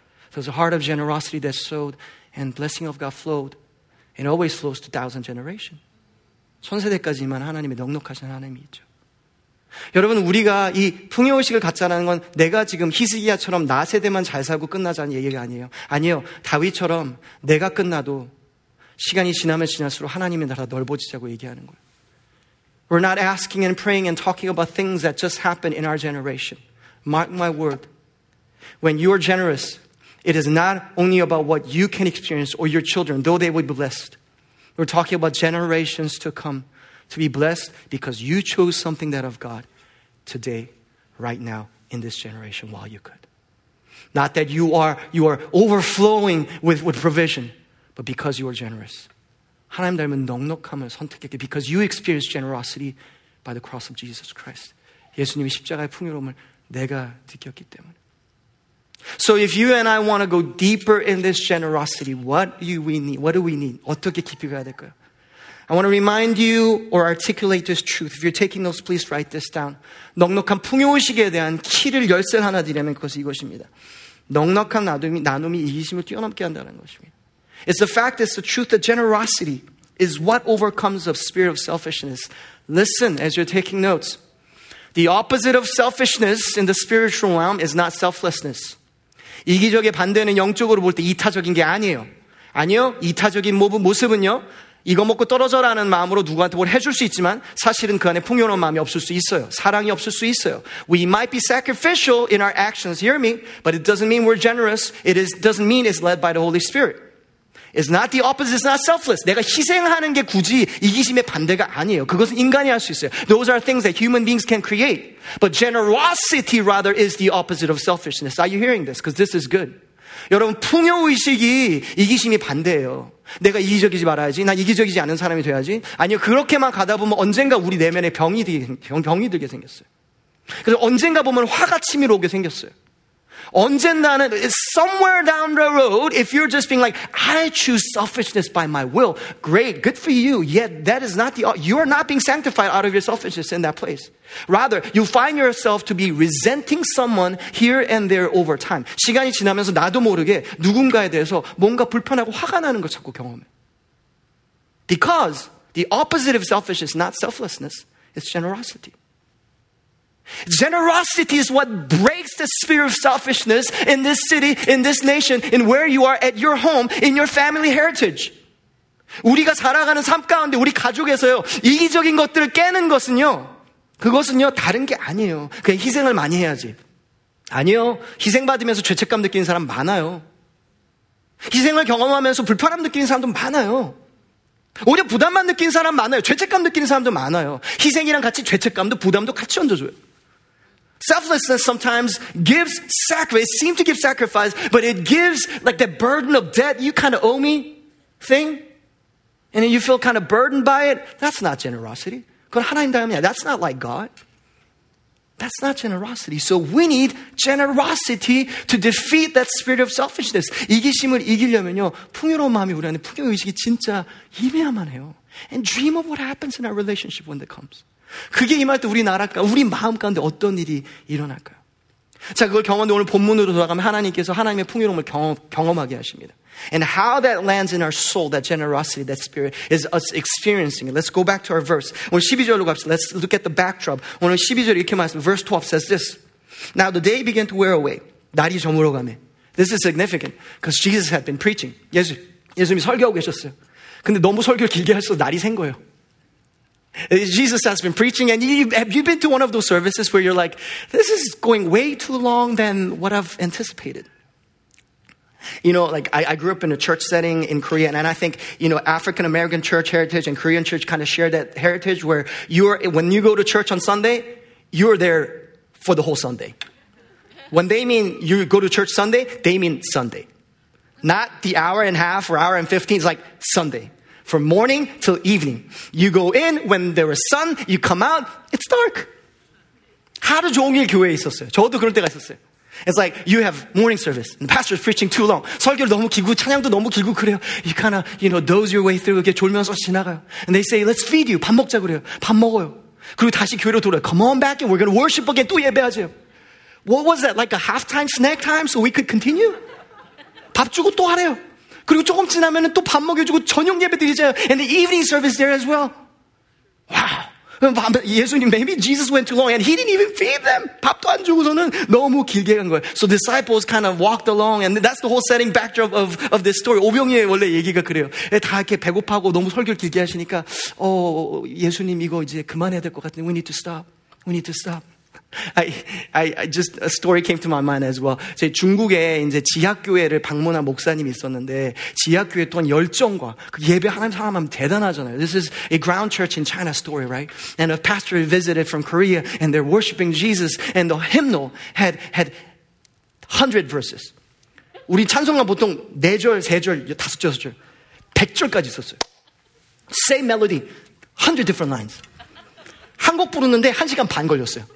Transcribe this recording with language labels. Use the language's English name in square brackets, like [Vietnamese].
[English] So the heart of generosity that sowed and blessing of God flowed and always flows to thousand generations. [Korean] 천세대까지만 하나님의 넉넉하신 하나님이 있죠. 여러분, 우리가 이 풍요의식을 갖자는 건 내가 지금 히스기야처럼 나 세대만 잘 살고 끝나자는 얘기가 아니에요. 아니요, 다윗처럼 내가 끝나도 시간이 지나면 지날수록 하나님의 나라 넓어지자고 얘기하는 거예요. [English] We're not asking and praying and talking about things that just happened in our generation. Mark my word. When you are generous, it is not only about what you can experience or your children, though they would be blessed. We're talking about generations to come to be blessed because you chose something that of God today, right now, in this generation, while you could. Not that you are overflowing with provision, but because you are generous. [Korean] 하나님 닮은 넉넉함을 선택했기 [English] because you experienced generosity by the cross of Jesus Christ. [Korean] 예수님의 십자가의 풍요로움을 내가 느꼈기 때문에. [English] So if you and I want to go deeper in this generosity, what do we need? [Korean] 어떻게 깊이 가야 될까요? [English] I want to remind you or articulate this truth. If you're taking notes, please write this down. [Korean] 넉넉한 풍요의식에 대한 키를 열쇠를 하나 드리면 그것이 이것입니다. 넉넉한 나눔이 이기심을 뛰어넘게 한다는 것입니다. [English] It's the fact, it's the truth that generosity is what overcomes the spirit of selfishness. Listen as you're taking notes. The opposite of selfishness in the spiritual realm is not selflessness. [Korean] 이기적의 반대는 영적으로 볼 때 이타적인 게 아니에요. 아니요, 이타적인 모습은요, 이거 먹고 떨어져라는 마음으로 누구한테 뭘 해줄 수 있지만 사실은 그 안에 풍요로운 마음이 없을 수 있어요. 사랑이 없을 수 있어요. [English] We might be sacrificial in our actions, hear me, but it doesn't mean we're generous. It doesn't mean it's led by the Holy Spirit. It's not the opposite, it's not selfless. [Korean] 내가 희생하는 게 굳이 이기심의 반대가 아니에요. 그것은 인간이 할 수 있어요. [English] Those are things that human beings can create. But generosity rather is the opposite of selfishness. Are you hearing this? Because this is good. [Korean] 여러분, 풍요의식이 이기심의 반대예요. 내가 이기적이지 말아야지. 난 이기적이지 않은 사람이 돼야지. 아니요, 그렇게만 가다 보면 언젠가 우리 내면에 병이 들게 생겼어요. 그래서 언젠가 보면 화가 치밀어 오게 생겼어요. 언젠가는 [English] somewhere down the road, if you're just being like, I choose selfishness by my will, great, good for you. Yet that is not you're not being sanctified out of your selfishness in that place. Rather, you find yourself to be resenting someone here and there over time. [Korean] 시간이 지나면서 나도 모르게 누군가에 대해서 뭔가 불편하고 화가 나는 걸 자꾸 경험해. [English] Because the opposite of selfishness is not selflessness, it's generosity. Generosity is what breaks the spirit of selfishness in this city, in this nation, in where you are, at your home, in your family heritage. [Korean] 우리가 살아가는 삶 가운데 우리 가족에서요 이기적인 것들을 깨는 것은요 그것은요 다른 게 아니에요. 그냥 희생을 많이 해야지. 아니요, 희생받으면서 죄책감 느끼는 사람 많아요. 희생을 경험하면서 불편함 느끼는 사람도 많아요. 오히려 부담만 느끼는 사람 많아요. 죄책감 느끼는 사람도 많아요. 희생이랑 같이 죄책감도 부담도 같이 얹어줘요. [English] Selflessness sometimes gives sacrifice, seems to give sacrifice, but it gives like that burden of debt, you kind of owe me thing, and then you feel kind of burdened by it. That's not generosity. [Korean] 그건 하나님 닮음이야. [English] That's not like God. That's not generosity. So we need generosity to defeat that spirit of selfishness. [Korean] 이기심을 이기려면요, 풍요로운 마음이 우리 안에 풍요의식이 진짜 임해야만 해요. [English] And dream of what happens in our relationship when that comes. [Korean] 그게 임할 때 우리 마음 가운데 어떤 일이 일어날까요? 자, 그걸 경험한 오늘 본문으로 돌아가면 하나님께서 하나님의 풍요로움을 경험하게 하십니다. [English] And how that lands in our soul, that generosity, that spirit is us experiencing it. Let's go back to our verse. [Korean] 오늘 12절로 갑시다. [English] Let's look at the backdrop. [Korean] 오늘 12절 이렇게 말씀. [English] Verse 12 says this. Now the day began to wear away. [Korean] 날이 저물어가매. [English] This is significant because Jesus had been preaching. [Korean] 예수님이 설교하고 계셨어요. 근데 너무 설교를 길게 해서 날이 센 거예요. [English] Jesus has been preaching, and have you been to one of those services where you're like, this is going way too long than what I've anticipated? You know, like I grew up in a church setting in Korea, and I think, you know, African American church heritage and Korean church kind of share that heritage where you're, when you go to church on Sunday, you're there for the whole Sunday. When they mean you go to church Sunday, they mean Sunday. Not the hour and a half or hour and 15, it's like Sunday. From morning till evening. You go in, when there is sun, you come out, it's dark. [Korean] 하루 종일 교회에 있었어요. 저도 그럴 때가 있었어요. [English] It's like, you have morning service, and the pastor's preaching too long. [Korean] 설교를 너무 길고, 찬양도 너무 길고 그래요. [English] You kind of, you know, doze your way through, [Korean] 이렇게 졸면서 지나가요. [English] And they say, let's feed you, [Korean] 밥 먹자 그래요. 밥 먹어요. 그리고 다시 교회로 돌아요. [English] Come on back, and we're going to worship again, [Korean] 또 예배하세요. [English] What was that, like a halftime snack time, so we could continue? [Korean] 밥 주고 또 하래요. 그리고 조금 지나면 또 밥 먹여주고 저녁 예배 드리자요. [English] And the evening service there as well. Wow. 예수님, maybe Jesus went too long and he didn't even feed them. [Korean] 밥도 안 주고서는 너무 길게 간 거예요. [English] So disciples kind of walked along and that's the whole setting backdrop of this story. [Korean] 오병이의 원래 얘기가 그래요. 다 이렇게 배고파하고 너무 설교를 길게 하시니까 예수님 이거 이제 그만해야 될 것 같은데 [English] we need to stop. [Korean] We need to stop. [English] I just a story came to my mind as well. [Korean] 제 중국에 이제 지하교회를 방문한 목사님이 있었는데 지하교회 또한 열정과 그 예배 하는 사람은 대단하잖아요. [English] This is a ground church in China story, right? And a pastor visited from Korea, and they're worshiping Jesus, and the hymnal had 100 verses. [Korean] 우리 찬송가 보통 네 절, 세 절, 다섯 절, 여섯 절, 백 절까지 있었어요. [English] Same melody, 100 different lines. [Korean] 한 곡 부르는데 한 시간 반 걸렸어요.